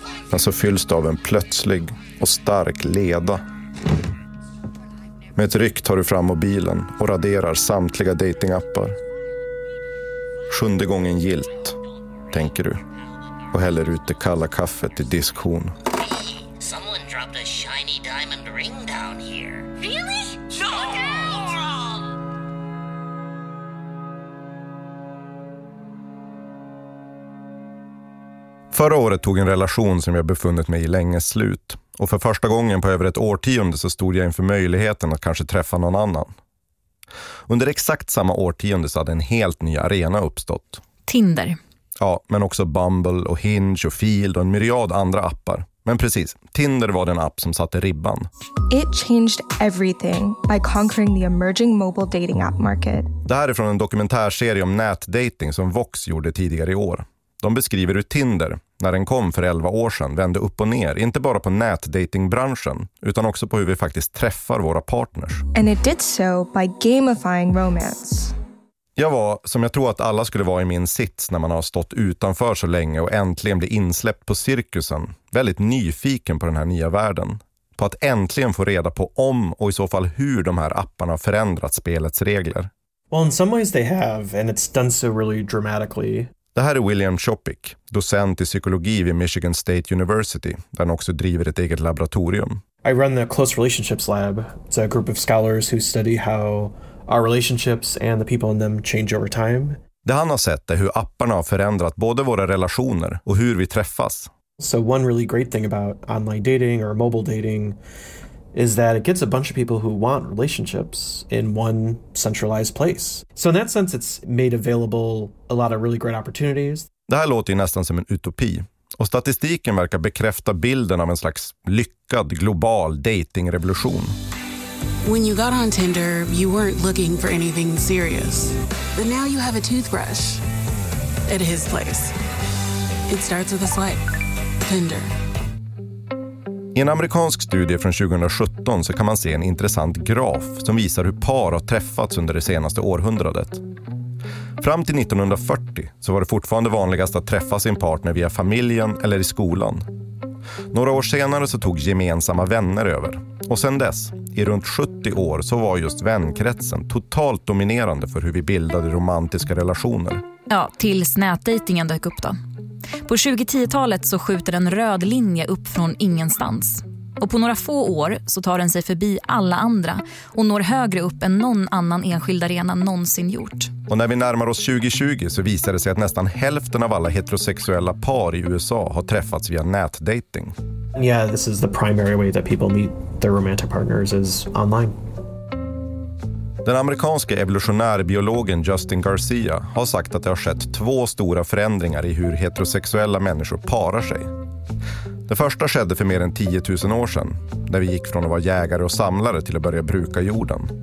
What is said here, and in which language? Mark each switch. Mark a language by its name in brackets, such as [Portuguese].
[Swedish] Men så fylls det av en plötslig och stark leda. Med ett ryck tar du fram mobilen och raderar samtliga datingappar. Sjunde gången gilt, tänker du. Och häller ut det kalla kaffet i diskhon. [English] Someone dropped a shiny diamond ring down here. Really? No! [Swedish] Förra året tog en relation som jag befunnit mig i länge slut. Och för första gången på över ett årtionde så stod jag inför möjligheten att kanske träffa någon annan. Under exakt samma årtionde så hade en helt ny arena uppstått. Tinder. Ja, men också Bumble och Hinge och Field och en myriad andra appar. Men precis, Tinder var den app som satte ribban. [English] It changed everything by conquering the emerging mobile dating app market. [Swedish] Det här är från en dokumentärserie om nätdating som Vox gjorde tidigare i år. De beskriver hur Tinder, när den kom för 11 år sedan, vände upp och ner, inte bara på nätdatingbranschen, utan också på hur vi faktiskt träffar våra partners. [English] And it did so by gamifying romance. [Swedish] Jag var, som jag tror att alla skulle vara i min sits när man har stått utanför så länge och äntligen blev insläppt på cirkusen, väldigt nyfiken på den här nya världen. På att äntligen få reda på om och i så fall hur de här apparna har förändrat spelets regler. [English] Well, in some ways they have, and it's done so really dramatically. [Swedish] Det här är William Chopic, docent i psykologi vid Michigan State University, där han också driver ett eget laboratorium. [English] I run the Close Relationships Lab. It's a group of scholars who study how our relationships and the people in them change over time. [Swedish] Det han har sett är hur apparna har förändrat både våra relationer och hur vi träffas. [English] So one really great thing about online dating or mobile dating is that it gets a bunch of people who want relationships in one centralized place. So in that sense it's made available a lot of really great opportunities. [Swedish] Det här låter ju nästan som en utopi. Och statistiken verkar bekräfta bilden av en slags lyckad global datingrevolution. [English] When you got on Tinder, you weren't looking for anything serious. But now you have a toothbrush at his place. It starts with a swipe. Tinder. [Swedish] I en amerikansk studie från 2017 så kan man se en intressant graf som visar hur par har träffats under det senaste århundradet. Fram till 1940 så var det fortfarande vanligast att träffa sin partner via familjen eller i skolan. Några år senare så tog gemensamma vänner över. Och sen dess, i runt 70 år, så var just vänkretsen totalt dominerande för hur vi bildade romantiska relationer. Ja, tills nätdejtingen dök upp då. På 2010-talet så skjuter en röd linje upp från ingenstans. Och på några få år så tar den sig förbi alla andra och når högre upp än någon annan enskild arena någonsin gjort. Och när vi närmar oss 2020 så visar det sig att nästan hälften av alla heterosexuella par i USA har träffats via nätdating. [English] Yeah, this is the primary way that people meet their romantic partners is online. [Swedish] Den amerikanska evolutionärbiologen Justin Garcia har sagt att det har skett två stora förändringar i hur heterosexuella människor parar sig. Det första skedde för mer än 10 000 år sedan, när vi gick från att vara jägare och samlare till att börja bruka jorden.